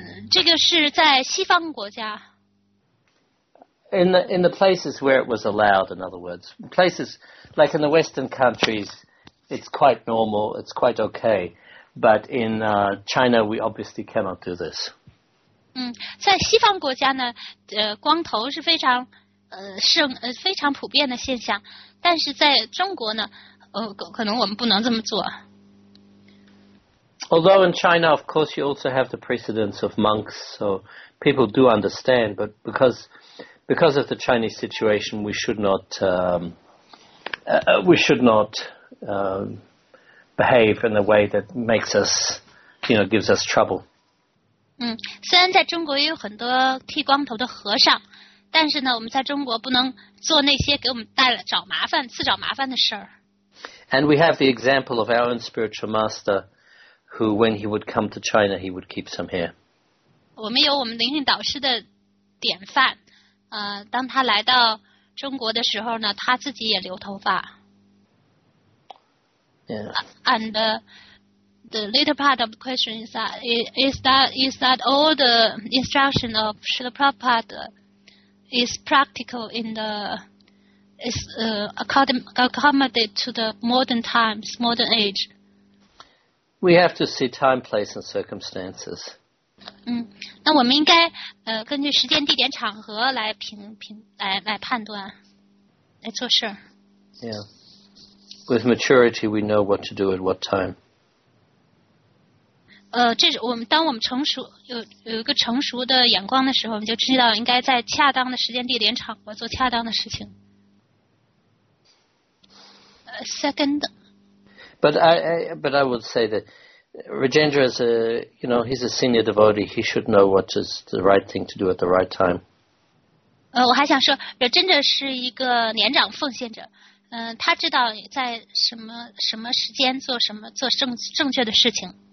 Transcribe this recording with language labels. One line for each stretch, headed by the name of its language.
Chinese: 这个是在西方国家。
English: In the places where it was allowed, in other words, places like in the Western countries, it's quite normal, it's quite okay. But in China, we obviously cannot do this.
Chinese: 在西方国家呢，光头是非常非常普遍的现象，但是在中国呢。可能我们不能这么做。
English: Although in China, of course, you also have the precedence of monks, so people do understand, but because of the Chinese situation, we should not behave in a way that makes us, you know, gives us trouble.
Chinese: 虽然在中国也有很多剃光头的和尚，但是呢，我们在中国不能做那些给我们带来找麻烦、自找麻烦的事儿。
English: And we have the example of our own spiritual master, who, when he would come to China, he would keep some hair.
Chinese: 我们有我们灵性导师的典范，当他来到中国的时候呢，他自己也留头发。
English: Yeah. And the later part of the question is that all the instruction of Srila Prabhupada is practical in the is accommodate to the modern times, modern age. We have to see time, place, and circumstances.
Chinese: 那我们应该根据时间、地点、场合来来判断，来做事。
English: Yeah. With maturity, we know what to do at what time.
Chinese: 这是我们当我们成熟有一个成熟的眼光的时候，我们就知道应该在恰当的时间、地点、场合做恰当的事情。
English: Second, but I would say that Rajendra is he's a senior devotee. He should know what is the right thing to do at the right time.
Chinese: 我还想说 ，Rajendra 是一个年长奉献者。他知道在什么时间做什么做正确的事情。